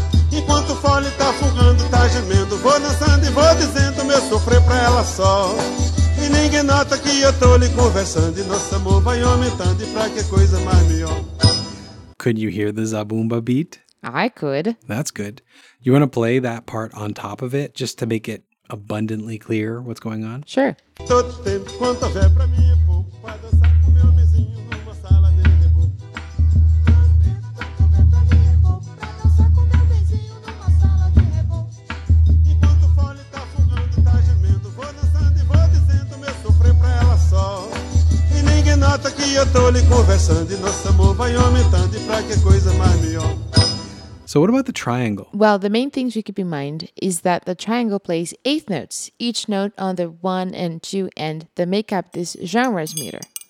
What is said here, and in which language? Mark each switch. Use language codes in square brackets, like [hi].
[pt] Enquanto o fole tá fugando, tá gemendo, vou dançando e vou dizendo meu sofrer pra ela só. E ninguém nota que eu tô lhe conversando e nosso amor vai aumentando e pra que coisa mais melhor. [en] Could you hear the Zabumba beat? I could. That's good. You want to play that part on top of it just to make it abundantly clear what's going on? Sure. [pt] Todo tempo, quanto houver pra mim é pouco, pra dançar com meu vizinho numa sala de reboco. Todo tempo, quanto houver pra mim é pouco, pra dançar com meu vizinho numa sala de reboco. Enquanto o fole tá fugando, tá gemendo, vou dançando e vou dizendo meu sofrer pra ela só. E ninguém nota que eu tô lhe conversando e nosso amor vai aumentando e pra que coisa mais melhor. [en] So what about the triangle? Well, the main thing to keep in mind is that the triangle plays eighth notes, each note on the one and two end that make up this genre's meter.